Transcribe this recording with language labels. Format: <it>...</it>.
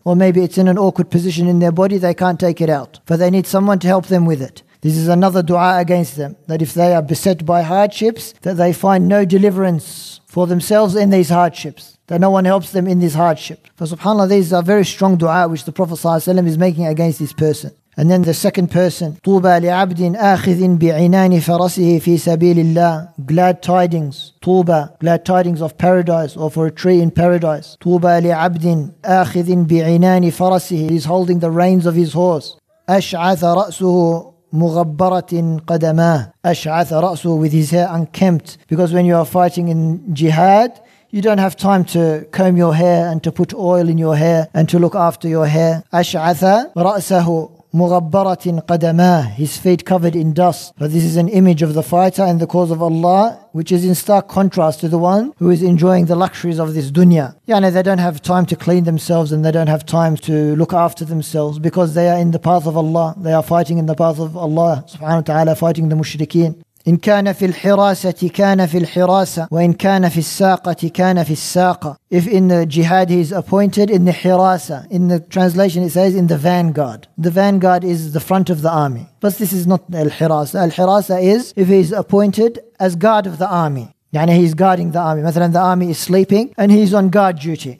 <en>Or maybe it's in an awkward position in their body, they can't take it out. For they need someone to help them with it. This is another dua against them, that if they are beset by hardships, that they find no deliverance for themselves in these hardships. That no one helps them in this hardship. For subhanAllah, these are very strong dua which the Prophet ﷺ is making against this person. And then the second person,</en> <ar>طوبى لعبد آخذ بعنان فرسه في سبيل الله.</ar> <en>Glad tidings, طوبى, glad tidings of paradise or for a tree in paradise.</en> <ar>طوبى لعبد آخذ بعنان فرسه.</ar> <en>He is holding the reins of his horse.</en> <ar>أشعث رأسه مغبرة قدماه. أشعث رأسه,</ar> <en>with his hair unkempt. Because when you are fighting in jihad, you don't have time to comb your hair and to put oil in your hair and to look after your hair.</en> <ar>أشعث رأسه مغبرة قدماه,</ar> <en>his feet covered in dust. But this is an image of the fighter in the cause of Allah, which is in stark contrast to the one who is enjoying the luxuries of this dunya. Yani they don't have time to clean themselves and they don't have time to look after themselves because they are in the path of Allah. They are fighting in the path of Allah subhanahu wa ta'ala, fighting the mushrikeen.</en> <ar>إن كان في الحراسة كان في الحراسة وإن كان في الساقة كان في الساقة.</ar> <en>If in the jihad he is appointed in the hirasa. In the translation it says in the vanguard. The vanguard is the front of the army. But this is not al-hirasa. Al-hirasa is if he is appointed as guard of the army. Yani he's guarding the army. Mathalan, the army is sleeping and he's on guard duty.</en>